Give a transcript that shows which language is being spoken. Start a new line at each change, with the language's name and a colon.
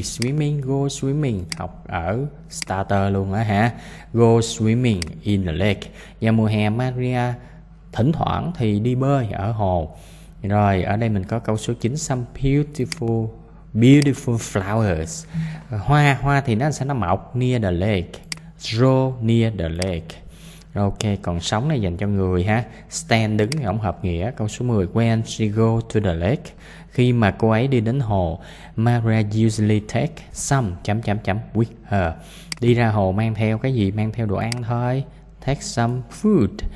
English: Swimming, go swimming,
Vietnamese: học ở starter luôn á ha.
English: Go swimming in the lake.
Vietnamese: Vào mùa hè, Maria thỉnh thoảng thì đi bơi ở hồ. Rồi ở đây mình có câu số 9,
English: some beautiful flowers.
Vietnamese: Hoa thì nó sẽ mọc
English: near the lake, grow near the lake.
Vietnamese: Ok, còn sống này dành cho người ha. Stand đứng thì không hợp nghĩa. Câu số 10,
English: when she go to the lake,
Vietnamese: khi mà cô ấy đi đến hồ,
English: Maria usually take some with her.
Vietnamese: Đi ra hồ mang theo cái gì? Mang theo đồ ăn thôi.
English: Take some food.